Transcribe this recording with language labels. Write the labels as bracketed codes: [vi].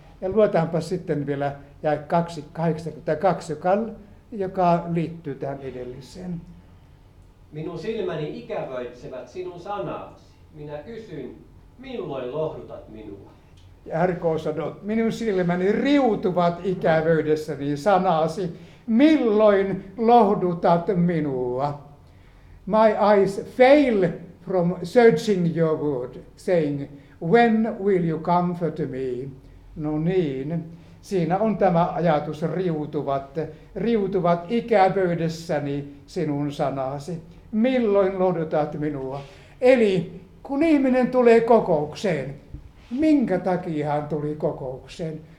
[fi] Ja luetaanpa sitten vielä jae 282, joka liittyy tähän edelliseen. Minun silmäni ikävöitsevät sinun sanasi. Minä kysyn, milloin lohdutat minua? Ja RK sanoo, minun silmäni riutuvat ikävöydessäni sanasi. Milloin lohdutat minua? [en] My eyes fail from searching your word, saying, when will you comfort me? [fi] No niin, siinä on tämä ajatus, riutuvat ikävöydessäni sinun sanasi. Milloin lohdutat minua? Eli kun ihminen tulee kokoukseen, minkä takia hän tuli kokoukseen?